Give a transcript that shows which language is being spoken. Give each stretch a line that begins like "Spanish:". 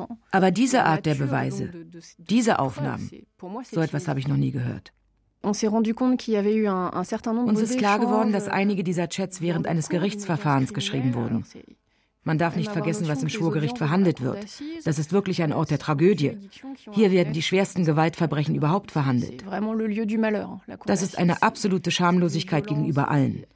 German: Aber diese Art der Beweise, diese Aufnahmen, so etwas habe ich noch nie gehört.
French: On s'est rendu compte qu'il y avait eu un certain nombre d'échanges.
German: Uns ist klar geworden, dass einige dieser Chats während eines Gerichtsverfahrens geschrieben wurden. Man darf nicht vergessen, was im Schwurgericht verhandelt wird. Das ist wirklich ein Ort der Tragödie. Hier werden die schwersten Gewaltverbrechen überhaupt verhandelt. Das ist eine absolute Schamlosigkeit gegenüber allen.